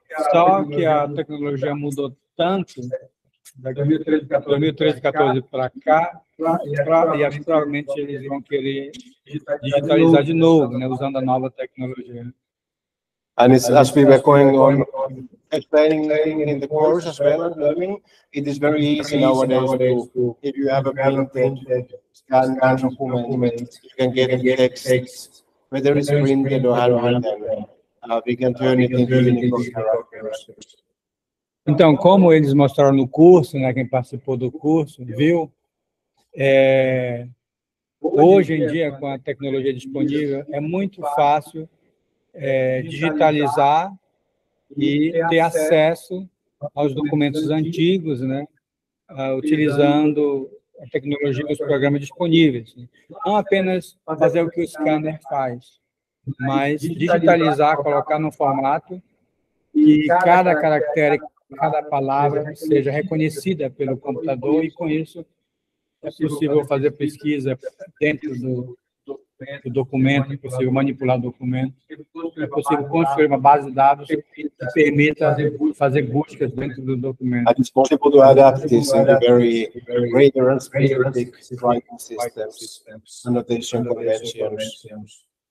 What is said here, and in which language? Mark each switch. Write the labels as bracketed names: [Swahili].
[Portuguese] Só que a tecnologia mudou tanto, da 2013, 2014 para cá, e atualmente eles vão querer digitalizar de novo, né? Usando a nova tecnologia. [English] And it's, as we were going on explaining in the course as well as learning, it is very easy nowadays to, if you have a printed scan document, you can get a text, whether it's printed or handwritten, we can turn it into any characters. [Portuguese] Então, como eles mostraram no curso, né, quem participou do curso viu, hoje em dia, com a tecnologia disponível, é muito fácil digitalizar e ter acesso aos documentos antigos, né, utilizando a tecnologia dos programas disponíveis. Não apenas fazer o que o scanner faz, mas digitalizar, colocar no formato e cada caractere, cada palavra seja reconhecida pelo computador e, com isso, é possível fazer pesquisa dentro do o documento, é possível manipular o documento, é possível construir uma base de dados que permita fazer buscas dentro do documento. [English] And it's possible to adapt this in the very greater and specific writing systems, annotation conventions.